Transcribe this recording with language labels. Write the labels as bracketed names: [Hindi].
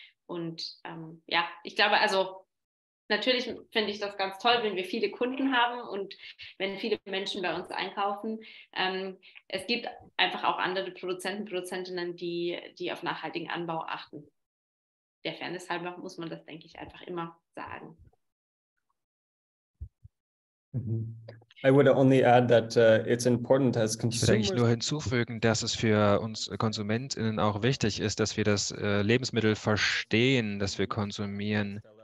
[German] Und ich glaube, also natürlich finde ich das ganz toll, wenn wir viele Kunden haben und wenn viele Menschen bei uns einkaufen. Es gibt einfach auch andere Produzenten, Produzentinnen, die auf nachhaltigen Anbau achten. Der Fairness halber muss man das, denke ich, einfach immer sagen. [English] I would only add that it's important as consumers. [German] Ich würde eigentlich nur hinzufügen, dass es für uns KonsumentInnen auch wichtig ist, dass wir das Lebensmittel verstehen, das wir konsumieren.